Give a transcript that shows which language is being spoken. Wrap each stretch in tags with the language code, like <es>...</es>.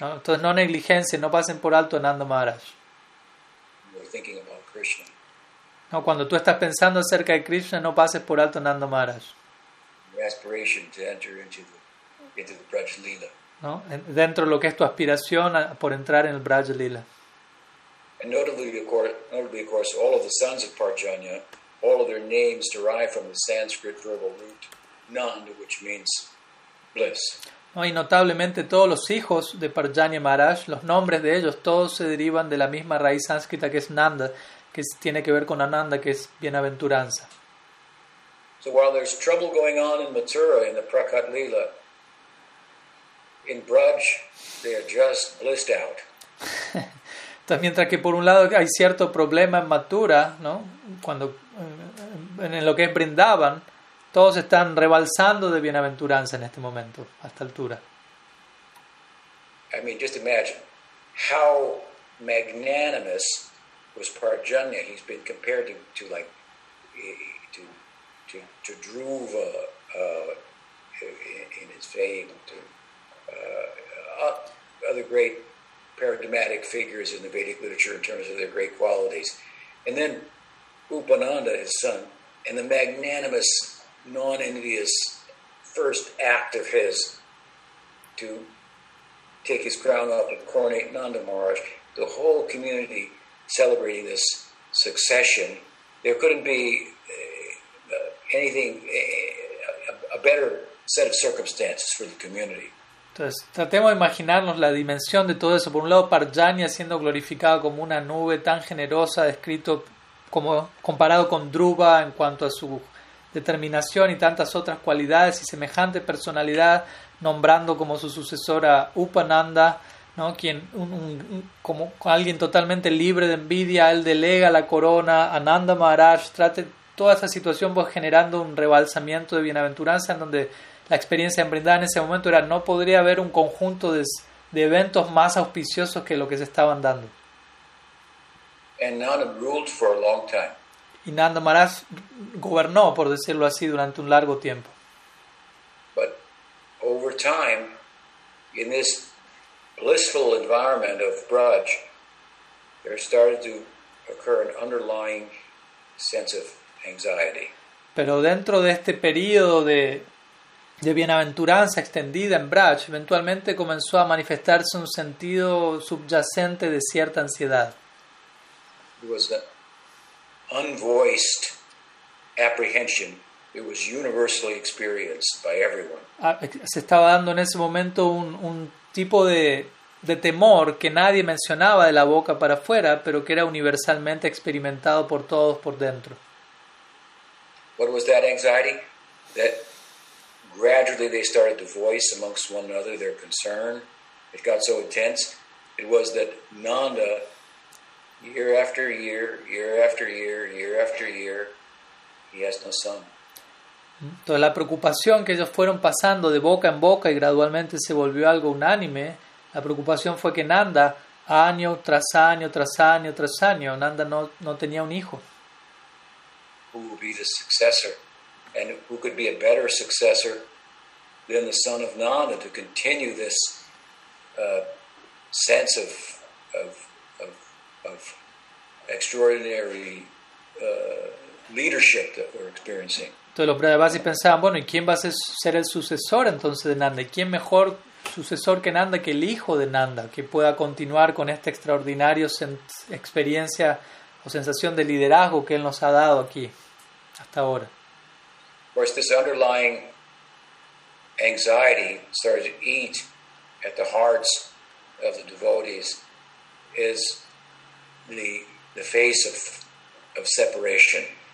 <es>¿No? Entonces no negligencia, no pasen por alto a Nanda Maharaj.</es> <en>You're thinking about Krishna.</en> <es>No, cuando tú estás pensando acerca de Krishna, no pases por alto a Nanda Maharaj.</es> <en>Your aspiration to enter into the Braj Lila.</en> <es>¿No? Dentro de lo que es tu aspiración por entrar en el Braj Lila.</es> <en>And notably, of course, all of the sons of Parjanya, all of their names derive from the Sanskrit verbal root Nanda, which means bliss.</en> <es>No, y notablemente todos los hijos de Parjanya Maharaj, los nombres de ellos, todos se derivan de la misma raíz sánscrita que es Nanda, que tiene que ver con Ananda, que es bienaventuranza.</es> <en>So while there's trouble going on in Mathura, in the Prakat Lila, in Braj, they are just blissed out.</en> <es>Entonces, mientras que por un lado hay cierto problema en Mathura, ¿no? Cuando en lo que es Brindavan, todos están rebalsando de bienaventuranza en este momento, a esta altura.</es> <en>I mean, just imagine how magnanimous was Parjanya. He's been compared to Dhruva in his fame, to other great paradigmatic figures in the Vedic literature in terms of their great qualities. And then Upananda, his son, and the magnanimous, non-envious first act of his to take his crown off and coronate Nanda Maharaj, the whole community celebrating this succession, there couldn't be anything, a better set of circumstances for the community.</en> <es>Entonces, tratemos de imaginarnos la dimensión de todo eso. Por un lado, Parjanya siendo glorificado como una nube tan generosa, descrito como comparado con Dhruva en cuanto a su determinación y tantas otras cualidades, y semejante personalidad nombrando como su sucesora Upananda, ¿no? Quien, como alguien totalmente libre de envidia, él delega la corona a Nanda Maharaj, trate toda esa situación pues, generando un rebalsamiento de bienaventuranza en donde la experiencia en Brindavan en ese momento era no podría haber un conjunto de eventos más auspiciosos que lo que se estaban dando.</es> <en>And Nanda ruled for a long time.</en> <es>Y Nanda Maharaj gobernó, por decirlo así, durante un largo tiempo.</es> <en>But over time, in this blissful environment of Braj, there started to occur an underlying sense of anxiety.</en> <es>Pero dentro de este periodo de bienaventuranza extendida en Braj, eventualmente comenzó a manifestarse un sentido subyacente de cierta ansiedad.</es> <en>It was an unvoiced apprehension. It was universally experienced by everyone.</en> <es>Se estaba dando en ese momento un tipo de temor que nadie mencionaba de la boca para afuera, pero que era universalmente experimentado por todos por dentro.</es> <en>What was that anxiety? That gradually they started to voice amongst one another their concern. It got so intense. It was that Nanda, year after year, year after year, year after year, he has no son.</en> <es>Entonces la preocupación que ellos fueron pasando de boca en boca y gradualmente se volvió algo unánime, la preocupación fue que Nanda, año tras año, tras año, tras año, Nanda no tenía un hijo.</es> <en>Who would be the successor? And who could be a better successor than the son of Nanda to continue this sense of extraordinary leadership that we're experiencing?</en> <es>Entonces los Brajavasis pensaban, bueno, ¿y quién va a ser el sucesor entonces de Nanda? ¿Quién mejor sucesor que Nanda, que el hijo de Nanda, que pueda continuar con esta extraordinaria experiencia o sensación de liderazgo que él nos ha dado aquí hasta ahora?</es> <en>Pues this underlying anxiety started to eat at the hearts of the devotees is the face of separation.</en>